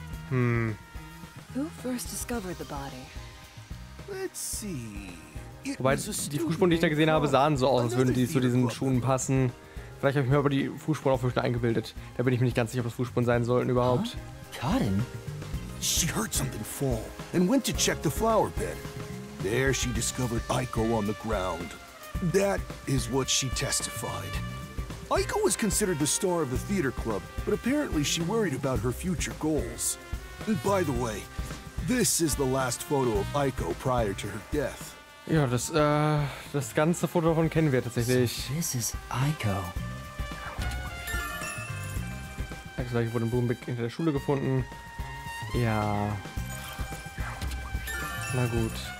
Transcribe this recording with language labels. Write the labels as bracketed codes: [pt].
[en] Who first discovered the body? Let's see. [de] Wobei die Fußspuren, die ich da gesehen habe, sahen so aus, als würden die zu diesen Schuhen passen. Vielleicht habe ich mir aber die Fußspuren auch wirklich eingebildet. Da bin ich mir nicht ganz sicher, ob das Fußspuren sein sollten überhaupt. [en] Karin? She heard something fall and went to check the flower bed. There she discovered Aiko on the ground. That is what she testified. Aiko was considered the star of the theater club, but apparently she worried about her future goals. By the way, this is the last photo of Aiko prior to her death. [de] Ja, das ganze Foto davon kennen wir tatsächlich. [en] So this is Aiko. [de] Also, ich wurde im Boom hinter der Schule gefunden. Ja. Na gut.